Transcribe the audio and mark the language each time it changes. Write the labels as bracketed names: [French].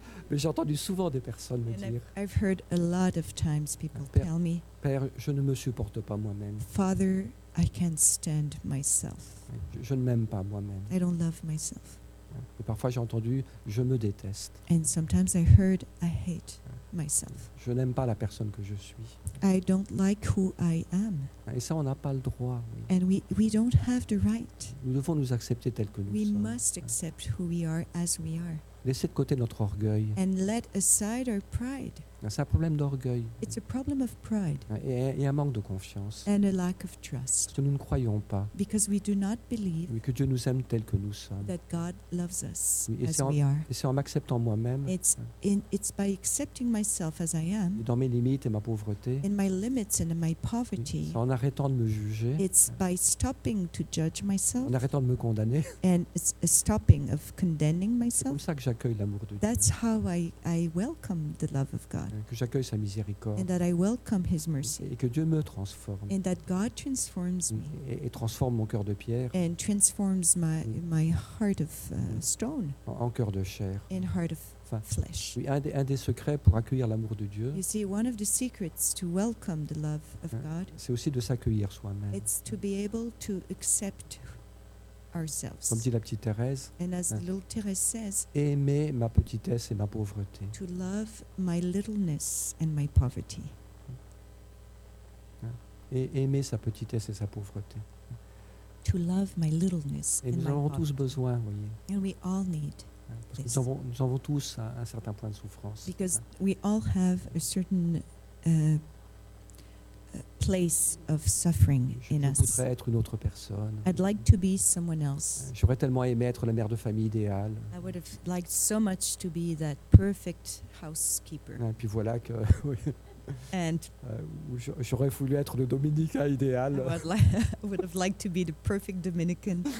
[French] Mais j'ai entendu souvent des personnes me dire. [English] I've heard a lot of times people tell me. [French] Père, je ne me supporte pas moi-même. [English] Father, I can't stand myself. [French] Je ne m'aime pas moi-même. [English] I don't love myself. [French] Et parfois j'ai entendu, je me déteste. [English] And sometimes I heard, I hate myself. [French] Je n'aime pas la personne que je suis. [English] I don't like who I am. [French] Et ça, on n'a pas le droit. Oui. [English] And we don't have the right. [French] Nous devons nous accepter tel que nous [English] we [French] sommes. [English] We must accept who we are as we are. [French] Laissez de côté notre orgueil. [English] And let aside our pride. [French] C'est un problème d'orgueil. [English] It's a problem of pride. [French] Et un manque de confiance. [English] And a lack of trust. [French] Parce que nous ne croyons pas. [English] Because we do not believe. [French] Oui, que Dieu nous aime tel que nous sommes. [English] That God loves us we are. [French] Et c'est en m'acceptant moi-même. [English] It's by accepting myself as I am. [French] Dans mes limites et ma pauvreté. [English] In my limits and in my poverty. [French] C'est en arrêtant de me juger. [English] It's by stopping to judge myself. [French] En arrêtant de me condamner. [English] And it's a stopping of condemning myself. [French] C'est comme ça que j'accueille l'amour de Dieu. [English] That's how I welcome the love of God. [French] Que j'accueille sa miséricorde. [English] And that I welcome his mercy. [French] Et que Dieu me transforme. [English] And that God transforms me. [French] Et transforme mon cœur de pierre. [English] And transforms my heart of stone. [French] En cœur de chair. [English] In heart of flesh. [French] Oui, un des secrets pour accueillir l'amour de Dieu. [English] You see, one of the secrets to welcome the love of God. [French] C'est aussi de s'accueillir soi-même. [English] It's to be able to accept ourselves. [French] Comme dit la petite Thérèse. [English] And as the little Thérèse says, [French] aimer ma petitesse et ma pauvreté. [English] To love my littleness and my poverty. [French] Et aimer sa petitesse et sa pauvreté. [English] To love my littleness [French] et [English] and my [French] nous en avons tous besoin, voyez. [English] And we all need. [French] Parce que nous avons tous un certain point de souffrance. [English] Because we all have a certain place of suffering in us. [French] Je voudrais être une autre personne. [English] I'd like to be someone else. [French] J'aurais tellement aimé être la mère de famille idéale. [English] I would have liked so much to be that perfect housekeeper. [French] Et puis voilà que. [English] And. [French] J'aurais voulu être le Dominicain idéal. [English] Would have liked to be the perfect Dominican.